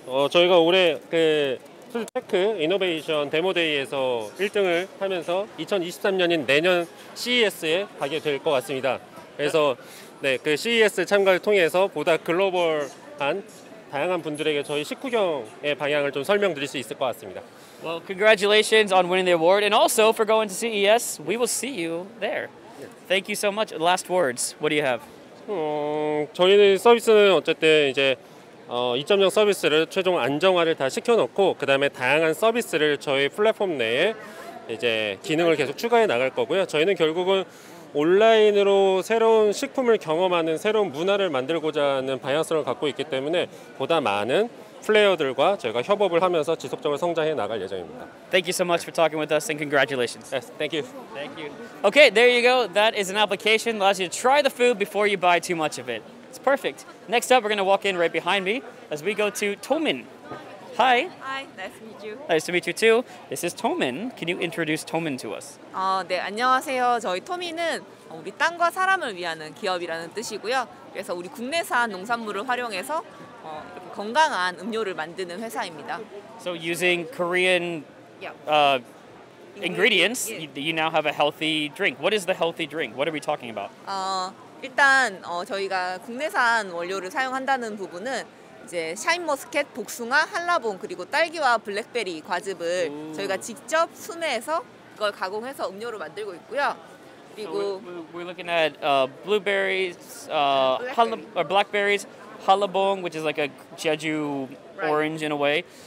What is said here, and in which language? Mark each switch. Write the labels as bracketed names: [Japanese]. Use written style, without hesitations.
[Korean] 저희가 올해 풀테크 이노베이션 데모데이에서 1등을 하면서 2023년인 내년 CES에 가게 될 것 같습니다. 그래서 네, 그 CES 참가를 통해서 보다 글로벌한 다양한 분들에게 저희 식후경의 방향을 좀 설명드릴 수 있을 것 같습니다. [English] Well, congratulations on winning the award and also for going to CES. We will see you there. Thank you so much. Last words. What do you have? [Korean] 저희는 서비스는 어쨌든 이제 2.0 서비스를 최종 안정화를 다 시켜놓고 그 다음에 다양한 서비스를 저희 플랫폼 내에 이제 기능을 계속 추가해 나갈 거고요. 저희는 결국은 온라인으로 새로운 식품을 경험하는 새로운 문화를 만들고자 하는 방향성을 갖고 있기 때문에 보다 많은 플레이어들과 저희가 협업을 하면서 지속적으로 성장해 나갈 예정입니다. [English] Thank you so much for talking with us and congratulations. Yes, thank you. Thank you. Okay, there you go. That is an application that allows you to try the food before you buy too much of it. It's perfect. Next up, we're going to walk in right behind me as we go to Tomin. Hi. Hi, nice to meet you. Nice to meet you too. This is Tomin. Can you introduce Tomin to us? [Korean] 네, 안녕하세요. 저희 토민은 우리 땅과 사람을 위하는 기업이라는 뜻이고요. 그래서 우리 국내산 농산물을 활용해서 이렇게 건강한 음료를 만드는 회사입니다. [English] So using Korean ingredients, you now have a healthy drink. What is the healthy drink? What are we talking about? [Korean] 일단 저희가 국내산 원료를 사용한다는 부분은 이제 샤인머스캣, 복숭아, 한라봉 그리고 딸기와 블랙베리 과즙을 오. 저희가 직접 수매해서 그걸 가공해서 음료로 만들고 있고요. 그리고 [English] we're looking at blueberries, blackberries, halabong, which is like a Jeju orange in a way.